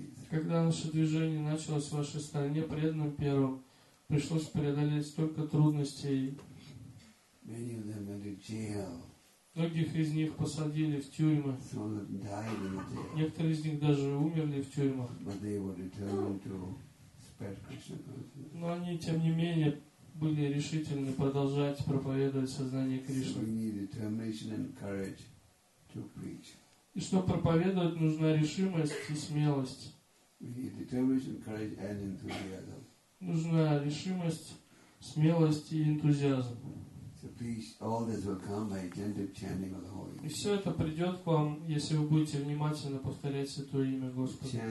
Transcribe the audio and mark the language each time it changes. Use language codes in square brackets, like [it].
[ru] Когда наше движение началось в вашей стране, преданным первым, пришлось преодолеть столько трудностей. [en] Many of them went to jail. [ru] Многих из них посадили в тюрьмы. [en] Some of them died in the jail. [ru] Некоторые из них даже умерли в тюрьмах. [en] But they were determined to spread Krishna consciousness. [ru] Но они, тем не менее, были решительны продолжать проповедовать сознание Кришны. [en] So we need determination and courage to preach. [ru] И чтобы проповедовать, нужна решимость и смелость. [en] We need determination, courage and enthusiasm. [ru] Нужна решимость, смелость и энтузиазм. И все это придет к вам, если вы будете внимательно повторять Святое Имя Господа.